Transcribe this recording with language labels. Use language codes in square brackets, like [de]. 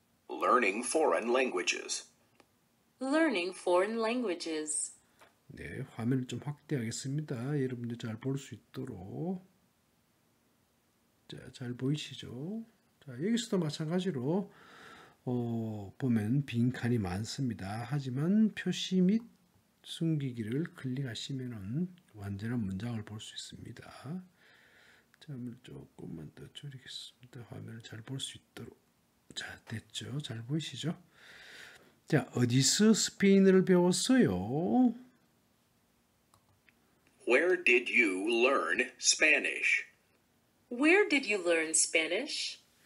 [en] Learning foreign languages. Learning foreign languages. [ko] 네, 화면을 좀 확대하겠습니다. 여러분들 잘볼수 있도록. 자, 잘 보이시죠? 자, 여기서도 마찬가지로 보면 빈 칸이 많습니다. 하지만 표시 및 숨기기를 클릭하시면은 완전한 문장을 볼수 있습니다. 잠을 조금만 더 줄이겠습니다. 화면을 잘볼수 있도록. 자, 됐죠? 잘 보이시죠? 자, 어디서 스페인어를 배웠어요? [en] Where did you learn Spanish? Where did you learn Spanish?